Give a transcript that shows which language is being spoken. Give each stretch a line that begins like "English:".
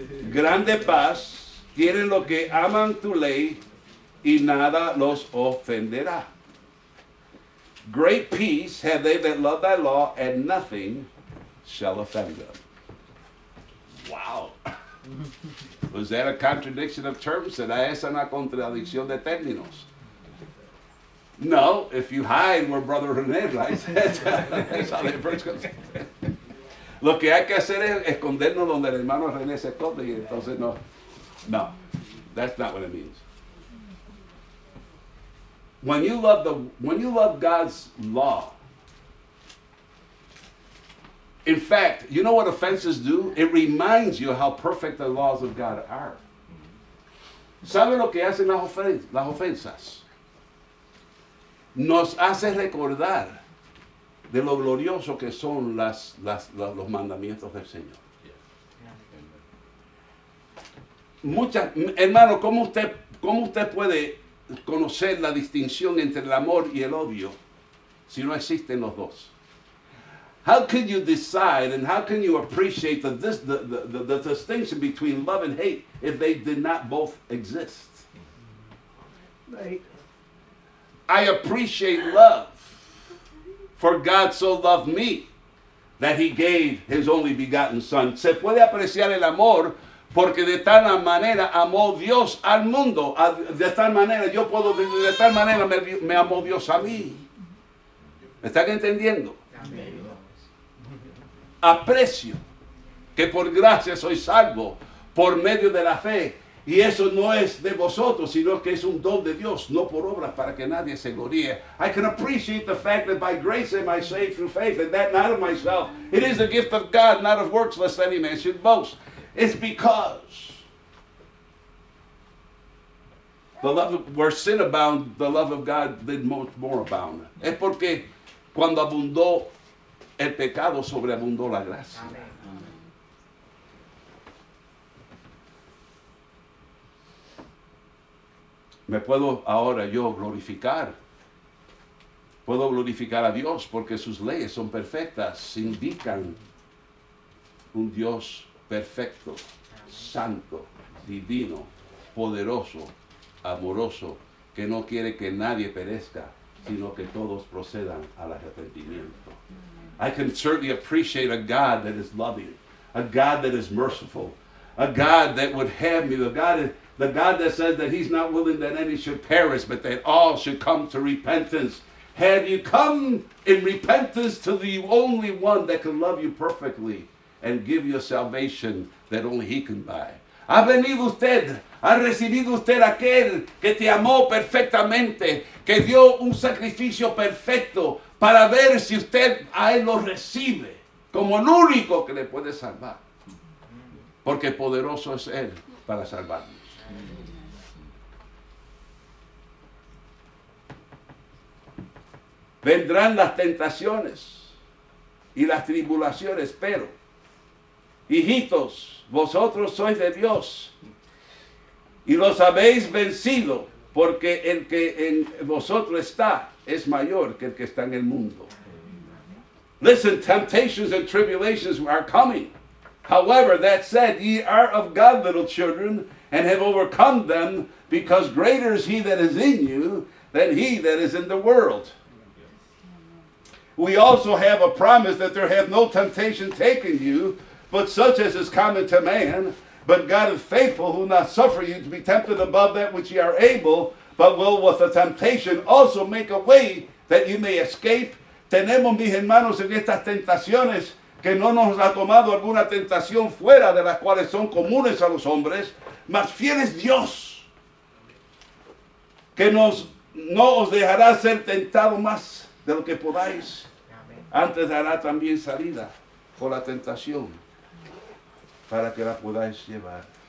Spanish: Grande paz tienen los que aman tu ley y nada los ofenderá.
English: Great peace have they that love thy law and nothing shall offend them. Wow. Was that a contradiction of terms?
Spanish: ¿Será esa una contradicción de términos?
English: No, if you hide where Brother René lies, that's how that verse goes.
Spanish: Lo que hay que hacer es escondernos donde el hermano René se esconde y entonces no.
English: No, that's not what it means. When you love God's law, in fact, you know what offenses do? It reminds you how perfect the laws of God are.
Spanish: ¿Sabe lo que hacen las ofensas? Nos hace recordar de lo glorioso que son los mandamientos del Señor. Hermano, ¿cómo usted puede conocer la distinción entre el amor y el odio si no existen los dos?
English: How can you decide and how can you appreciate the distinction between love and hate if they did not both exist? Right. I appreciate love, for God so loved me that he gave his only begotten son.
Spanish: Se puede apreciar el amor porque de tal manera amó Dios al mundo. De tal manera yo puedo, de tal manera me amó Dios a mí. ¿Me están entendiendo? Amén. Aprecio que por gracia soy salvo por medio de la fe, y eso no es de vosotros, sino que es un don de Dios, no por obras, para que nadie se gloríe.
English: I can appreciate the fact that by grace am I saved through faith, and that not of myself. It is the gift of God, not of works, lest any man should boast. It's because The love of, where sin abound, the love of God did much more abound.
Spanish: Es porque cuando abundó el pecado, sobreabundó la gracia.
English: Amen.
Spanish: Me puedo ahora yo glorificar. Puedo glorificar a Dios porque sus leyes son perfectas, indican un Dios perfecto, santo, divino, poderoso, amoroso, que no quiere que nadie perezca, sino que todos procedan al arrepentimiento.
English: I can certainly appreciate a God that is loving, a God that is merciful, a God that would have me, the God that says that he's not willing that any should perish, but that all should come to repentance. Have you come in repentance to the only one that can love you perfectly and give you a salvation that only he can buy?
Spanish: ¿Ha venido usted? ¿Ha recibido usted aquel que te amó perfectamente, que dio un sacrificio perfecto para ver si usted a él lo recibe como el único que le puede salvar? Porque poderoso es él para salvarme. Vendrán las tentaciones y las tribulaciones, pero, hijitos, vosotros sois de Dios y los habéis vencido, porque el que en vosotros está es mayor que el que está en el mundo.
English: Listen, temptations and tribulations are coming. However, that said, ye are of God, little children, and have overcome them, because greater is he that is in you than he that is in the world. We also have a promise that there hath no temptation taken you, but such as is common to man. But God is faithful, who not suffer you to be tempted above that which ye are able, but will with the temptation also make a way that you may escape.
Spanish: Tenemos, mis hermanos, en estas tentaciones, que no nos ha tomado alguna tentación fuera de las cuales son comunes a los hombres, mas fiel es Dios, que no os dejará ser tentado más de lo que podáis, antes dará también salida por la tentación para que la podáis llevar.